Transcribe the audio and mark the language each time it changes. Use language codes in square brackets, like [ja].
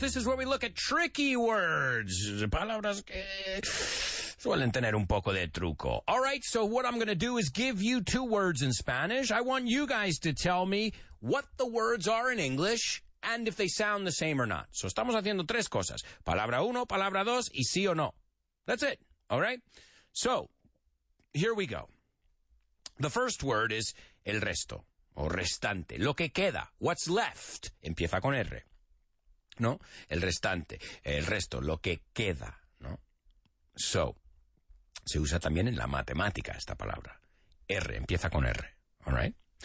[en] This is where we look at tricky words. [es] Palabras que suelen tener un poco de truco. [en] All right, so what I'm going to do is give you two words in Spanish. I want you guys to tell me what the words are in English. and if they sound the same or not. [es] So estamos haciendo tres cosas. Palabra uno, palabra dos, y sí o no. [en] That's it. All right? So, here we go. The first word is [es] el resto, o restante, lo que queda, [en] what's left, [es] empieza con R, ¿no? El restante, el resto, lo que queda, ¿no? So, se usa también en la matemática esta palabra, R, empieza con R, all right?